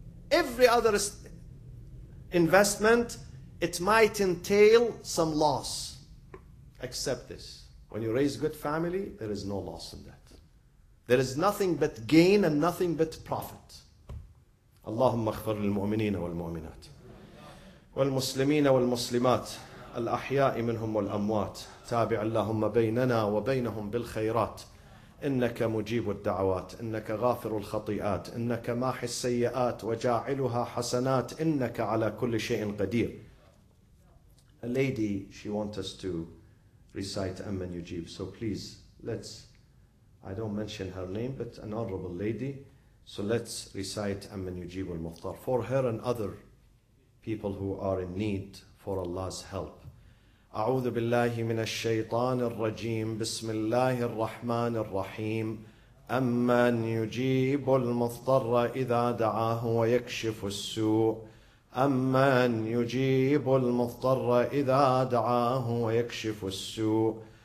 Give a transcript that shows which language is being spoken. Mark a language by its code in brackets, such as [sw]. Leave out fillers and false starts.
[en] Every other investment, it might entail some loss. Accept this. When you raise good family, there is no loss in that. There is nothing but gain and nothing but profit. [ar] Allahumma akhbar al-mu'mineen wal-mu'minat. والمسلمين والمسلمات الأحياء منهم والأموات تابع اللهم بيننا وبينهم بالخيرات إنك مجيب الدعوات إنك غافر الخطيئات إنك ماحي السيئات وجاعلها حسنات إنك على كل شيء قدير. [en] A lady, she wants us to recite Amman Yujib. So please, let's, I don't mention her name, but an honorable lady. So let's recite Amman Yujib al-Muftar for her and other people who are in need for Allah's help. [ar] أعوذ بالله من الشيطان الرجيم بسم الله الرحمن الرحيم أمن يجيب المضطر إذا دعاه ويكشف السوء أمن يجيب المضطر إذا دعاه ويكشف السوء